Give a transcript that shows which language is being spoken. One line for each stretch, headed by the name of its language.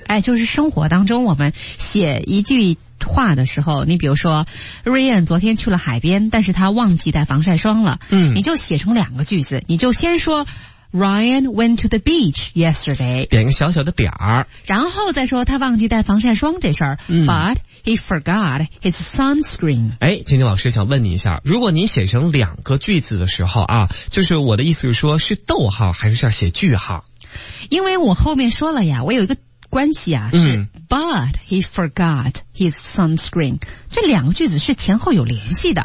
Chinese: 哎，就是生活当中我们写一句话的时候，你比如说 Rian 昨天去了海边，但是他忘记带防晒霜了，你就写成两个句子，你就先说
English: Ryan went to the beach yesterday，
Chinese: 点个小小的点儿，然后再说他忘记带防晒霜这事儿。
English: But he forgot his sunscreen。
Chinese: 哎，金金老师想问你一下，如果你写成两个句子的时候啊，就是我的意思是说，是逗号还是要写句号？因为我后面说了呀，我有一个关系啊，是
English: But he forgot his sunscreen，
Chinese: 这两个句子是前后有联系的。